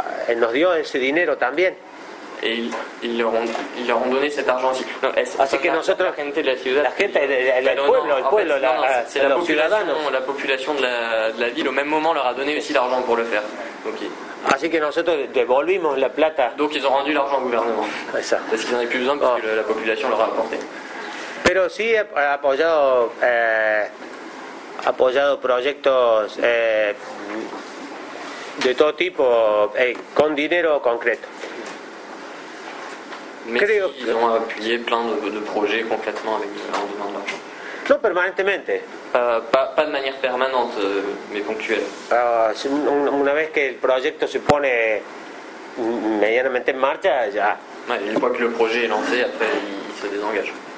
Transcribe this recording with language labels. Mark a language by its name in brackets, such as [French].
[Spanish] Y nos dio ese dinero también. [French] Et ils leur ont donné cet argent aussi. [Spanish] No, así que nosotros, [French] la gente de la ciudad, la population de la ville au même moment leur a donné aussi l'argent pour le faire. Okay. [Spanish] Así que nosotros devolvimos la plata. [French] Donc ils ont rendu l'argent au gouvernement. [Spanish] Eso. [French] Parce qu'ils n'en avaient plus besoin parce que la population leur a apporté. [Spanish] Pero sí apoyado proyectos de todo tipo con dinero concreto. Creo que [French] ils ont appuyé plein de projets concrètement avec en donnant de l'argent. [Spanish] No permanentemente. [French] Pas de manière permanente, mais ponctuelle. [Spanish] Una vez que el proyecto se pone medianamente en marcha, ya. [French] Une fois que le projet est lancé, après il se désengage.